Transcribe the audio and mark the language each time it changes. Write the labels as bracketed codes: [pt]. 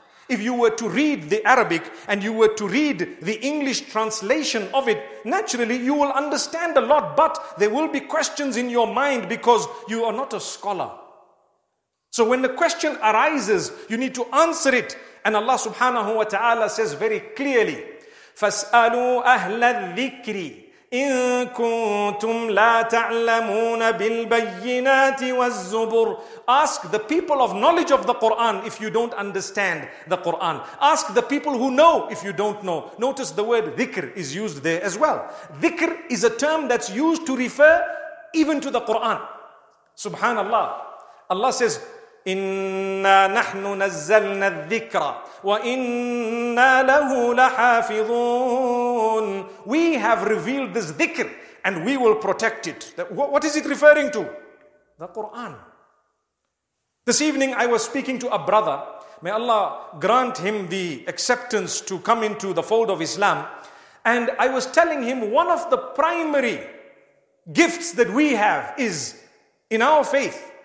[en] If you were to read the Arabic and you were to read the English translation of it, naturally you will understand a lot, but there will be questions in your mind because you are not a scholar. So when the question arises, you need to answer it. And Allah subhanahu wa ta'ala says very clearly, [ar] فَاسْأَلُوا أَهْلَ الذِّكْرِ إِن كُنتُمْ لَا تَعْلَمُونَ بِالْبَيِّنَاتِ وَالزُّبُرِ. [en] Ask the people of knowledge of the Quran if you don't understand the Quran. Ask the people who know if you don't know. Notice the word dhikr is used there as well. Dhikr is a term that's used to refer even to the Quran. Subhanallah. Allah says, [ar] إِنَّا نَحْنُ نَزَّلْنَا الذِّكْرَ وَإِنَّا لَهُ لَحَافِظُونَ. [en] We have revealed this dhikr and we will protect it. What is it referring to? The Quran. This evening I was speaking to a brother. May Allah grant him the acceptance to come into the fold of Islam. And I was telling him one of the primary gifts that we have is in our faith.